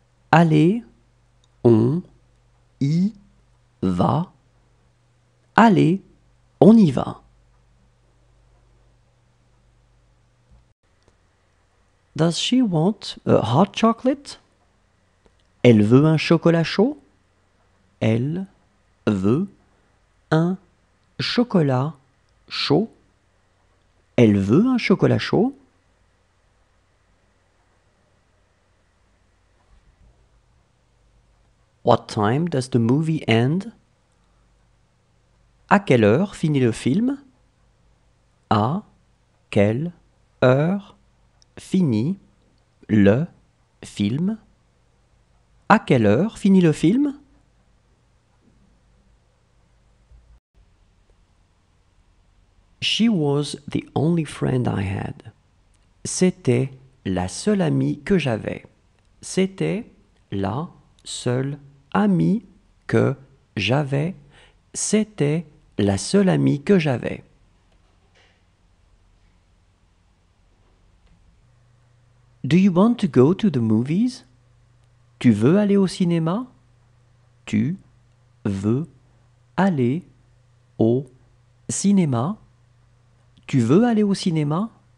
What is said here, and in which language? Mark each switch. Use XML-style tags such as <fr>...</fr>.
<fr>Allez, on y va. Allez, on y va.</fr> <en>Does she want a hot chocolate?</en> <fr>Elle veut un chocolat chaud? Elle veut un chocolat chaud? Elle veut un chocolat chaud?</fr> <en>What time does the movie end?</en> <fr>À quelle heure finit le film? À quelle heure finit le film? À quelle heure finit le film?</fr> <en>She was the only friend I had.</en> <fr>C'était la seule amie que j'avais. C'était la seule amie que j'avais. C'était la seule amie que j'avais.</fr> <en>Do you want to go to the movies?</en> <fr>Tu veux aller au cinéma? Tu veux aller au cinéma? Tu veux aller au cinéma?</fr>